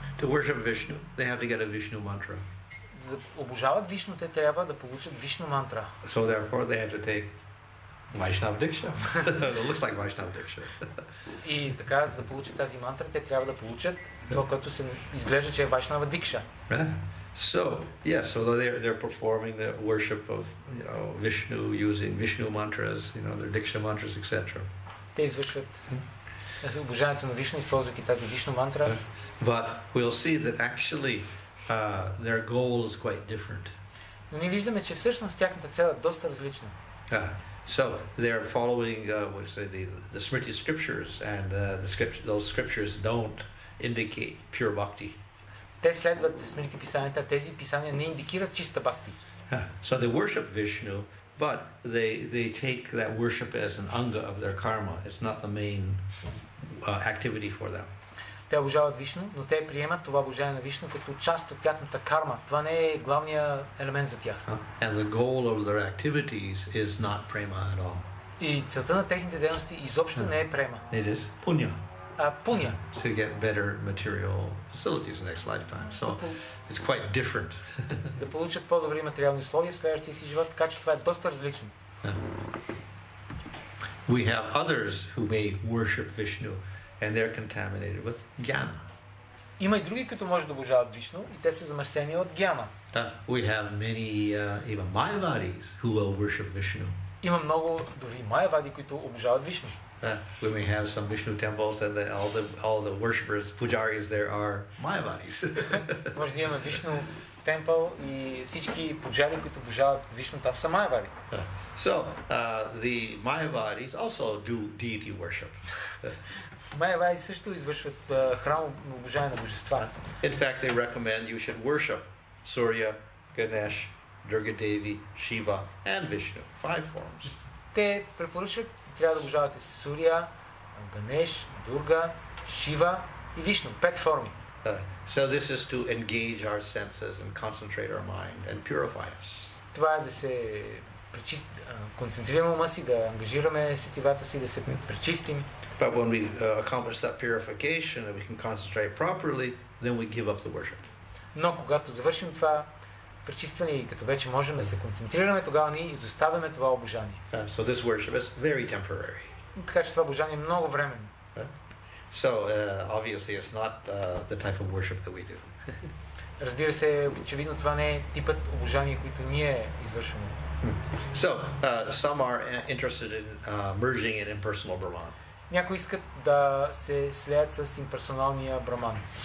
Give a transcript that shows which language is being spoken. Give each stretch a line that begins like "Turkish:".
English: To worship Vishnu, they have to get a Vishnu mantra.
Bulgarian: За да обожават Вишну, те трябва да получат Вишну мантра.
English: So therefore they have to take Vaishnava Diksha. It looks like Vaishnava Diksha.
Bulgarian: И така, за да получат тази мантра, те трябва да получат това, което се изглежда, че е Vaishnava Diksha.
English: So, yes, although they're performing the worship of, you know, Vishnu using Vishnu mantras, you know, their diksha mantras, etc. They
Bulgarian: извършват обожанието на Вишну, използвайки тази Вишну мантра.
English: But we'll see that actually their goal is quite different.
Bulgarian: Но ние виждаме, че всъщност тяхната цел е доста различна.
English: So they're following what you say, the Smriti scriptures, and those scriptures don't indicate pure bhakti.
Bulgarian: Те следват Смритите писания, а тези писания не индикират чиста бхакти.
English: So they worship Vishnu, but they take that worship as an anga of their karma. It's not the main activity for them.
Bulgarian: Те обожават Вишну, но те приемат това обожание на Вишну като част от тяхната карма. Това не е главният елемент за тях.
English: And the goal of their activities is not prema at all.
Bulgarian: И целта на техните дейности изобщо не е према.
English: It is punya. Punya. To get better material facilities in next lifetime. So it's quite different.
Bulgarian: Да получат по-добри материални условия в следващия си живот, така че това е доста различно.
English: We have others who may worship Vishnu and they're contaminated with jnana.
Bulgarian: Има и други, които може да обожават Вишну, и те са замърсени от гьяна.
English: We have many even Mayavadis who will worship Vishnu.
Bulgarian: Има много дори Mayavadi, които обожават Вишну.
English: We may have some Vishnu temples and the, all the worshippers, pujaris there are Mayavadis.
Bulgarian: Може да имаме Вишну темпел и всички пуджари, които обожават Вишну, там са Mayavadi.
English: So, the Mayavadis also do deity worship.
Bulgarian: Mayavadi също извършват храм обожание на божества.
English: In fact, they recommend you should worship Surya, Ganesh, Durga Devi, Shiva and Vishnu. Five forms.
Bulgarian: Те препоръчват трябва да обожавате Сурия, Ганеш, Дурга, Шива и Вишну. Пет форми.
English: So this is to engage our senses and concentrate our mind and purify us.
Bulgarian: Това е да се концентрираме ума си, да ангажираме сетивата си, да се пречистим.
English: But when we accomplish that purification and we can concentrate properly, then we give up the worship.
Bulgarian: Но когато завършим това пречистване и като вече можем да се концентрираме, тогава ние изоставяме това обожание.
English: So this worship is very temporary.
Bulgarian: Така че това обожание е много временно.
English: So obviously it's not the type of worship that we do.
Bulgarian: Разбира се, очевидно това не е типът обожание, което ние извършваме.
English: So some are interested in merging it in impersonal Brahman.
Bulgarian: Някои искат да се слеят с имперсоналния Браман.